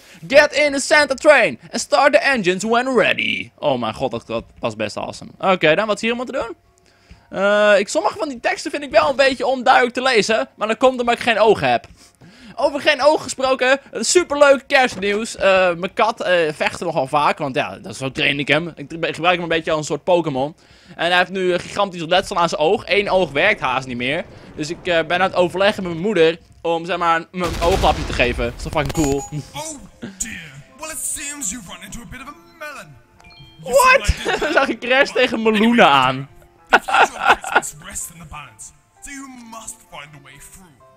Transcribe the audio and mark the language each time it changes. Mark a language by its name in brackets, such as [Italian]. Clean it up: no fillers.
[English] Get in the Santa train and start the engines when ready. [Dutch] Oh mijn god, dat was best awesome. Okay, dan wat is hier allemaal te doen? Sommige van die teksten vind ik wel een beetje onduidelijk te lezen. Maar dat komt omdat ik geen ogen heb. Over geen ogen gesproken, superleuk kerstnieuws. Mijn kat vecht nogal vaak, want ja, zo train ik hem. Ik gebruik hem een beetje als een soort Pokémon. En hij heeft nu een gigantisch letsel aan zijn oog. 1 oog werkt haast niet meer. Dus ik ben aan het overleggen met mijn moeder om, zeg maar, mijn ooglapje te geven. Dat is toch fucking cool. [English] Oh dear, well it seems you've run into a bit of a melon. What? [Dutch] Dan zag ik crash tegen meloenen aan. [English] The future of Christmas rests in the balance, so you must find a way through.